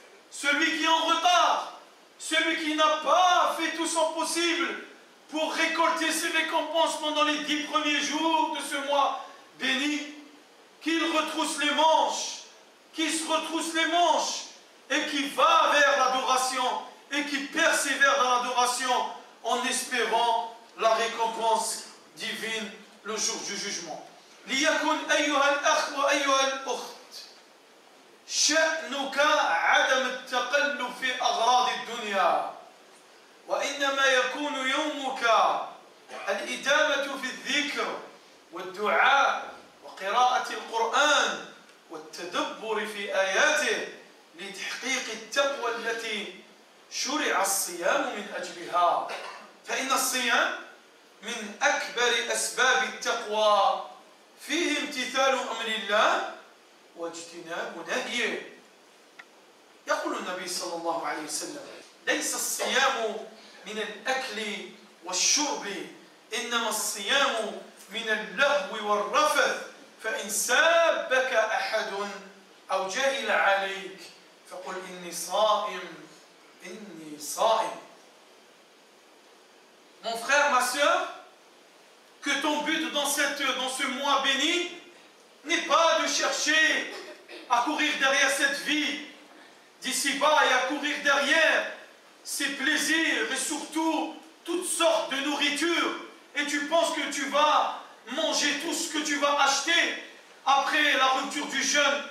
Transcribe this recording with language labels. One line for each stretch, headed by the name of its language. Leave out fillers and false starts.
French: Celui qui est en retard, celui qui n'a pas fait tout son possible pour récolter ses récompenses pendant les 10 premiers jours de ce mois béni, qu'il retrousse les manches, qu'il se retrousse les manches et qu'il va vers l'adoration et qu'il persévère dans l'adoration en espérant la récompense divine le jour du jugement.
Arabic: ليكن أيها الأخ وأيها الأخت شأنك عدم التقلب في أغراض الدنيا وإنما يكون يومك الإدامة في الذكر والدعاء وقراءة القرآن والتدبر في آياته لتحقيق التقوى التي شرع الصيام من أجلها فإن الصيام من أكبر أسباب التقوى فيه امتثال أمر الله واجتناب نهيه. يقول النبي صلى الله عليه وسلم: ليس الصيام من الأكل والشرب، إنما الصيام من اللهو والرفث، فإن سابك أحد أو جهل عليك فقل إني صائم إني صائم.
French: Mon frère, ma soeur, que ton but dans ce mois béni n'est pas de chercher à courir derrière cette vie d'ici-bas et à courir derrière ses plaisirs et surtout toutes sortes de nourriture, et tu penses que tu vas manger tout ce que tu vas acheter après la rupture du jeûne.